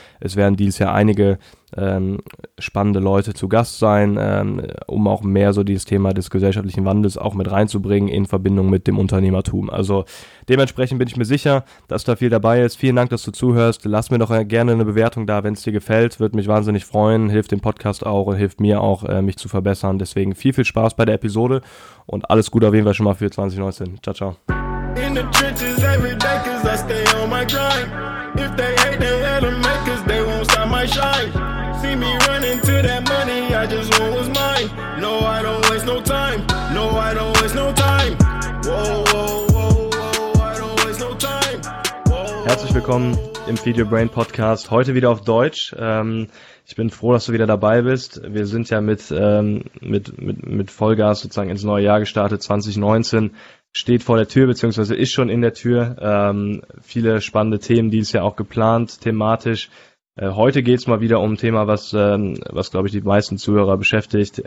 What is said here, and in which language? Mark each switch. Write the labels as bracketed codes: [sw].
[de] Es werden dieses Jahr einige spannende Leute zu Gast sein, um auch mehr so dieses Thema des gesellschaftlichen Wandels auch mit reinzubringen in Verbindung mit dem Unternehmertum. Also dementsprechend bin ich mir sicher, dass da viel dabei ist. Vielen Dank, dass du zuhörst. Lass mir doch gerne eine Bewertung da, wenn es dir gefällt. Würde mich wahnsinnig freuen. Hilft dem Podcast auch und hilft mir auch, mich zu verbessern. Deswegen viel, viel Spaß bei der Episode und alles Gute auf jeden Fall schon mal für 2019. Ciao, ciao. [en] In the trenches every day, cause I stay on my grind. If they hate, they hate them, man, cause they won't stop my shine. See me running to that money, I just want what's mine. No, I don't waste no time. No, I don't waste no time. Whoa, whoa, whoa, whoa, I don't waste no time. Whoa. [de] Herzlich willkommen im Feed Your Brain Podcast, heute wieder auf Deutsch. Ich bin froh, dass du wieder dabei bist. Wir sind ja mit Vollgas sozusagen ins neue Jahr gestartet. 2019 steht vor der Tür, beziehungsweise ist schon in der Tür. Viele spannende Themen, die ist ja auch geplant, thematisch. Heute geht es mal wieder um ein Thema, was glaube ich die meisten Zuhörer beschäftigt.